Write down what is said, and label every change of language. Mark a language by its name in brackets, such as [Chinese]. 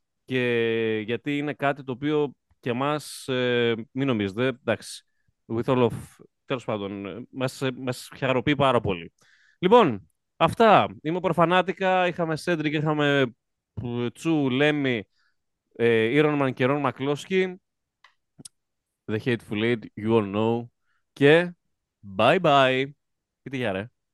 [Greek] Και γιατί είναι κάτι το οποίο και εμάς, μην νομίζετε, εντάξει, [English] with all of, [Greek] τέλος πάντων, μας χαροποιεί πάρα πολύ. Λοιπόν, αυτά. Είμαι ο Προφανάτικα, είχαμε Cedric, είχαμε Τσου, Λέμι, Ironman και Ron McCloskey. [English] The Hateful Eight, you all know. [Greek] Και bye-bye. Πείτε γεια, ρε.